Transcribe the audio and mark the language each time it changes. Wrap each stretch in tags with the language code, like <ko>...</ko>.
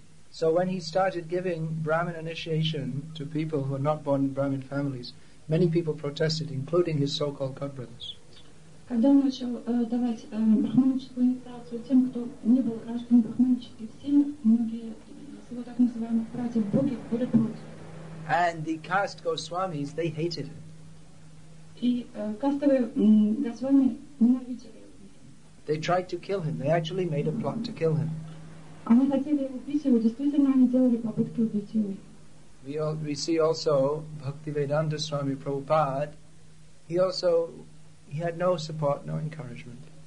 <en>So when he started giving Brahmin initiation to people who were not born in Brahmin families, many people protested, including his so-called godbrothers.</en> <ru>Когда он начал давать брахманическую инициацию тем, кто не был гражданин брахманических семей, многие из его так называемых братьев боги были против.</ru> <en>And the caste Goswamis, they hated him.</en> <ru>И кастовые Госвами ненавидели его.</ru> <en>They tried to kill him. They actually made a plot to kill him.</en> <ru>Они хотели убить его. Действительно, они делали попытки убить его.</ru> <en>We see also Bhaktivedanta Swami Prabhupada. He also He had no support, no encouragement.</en>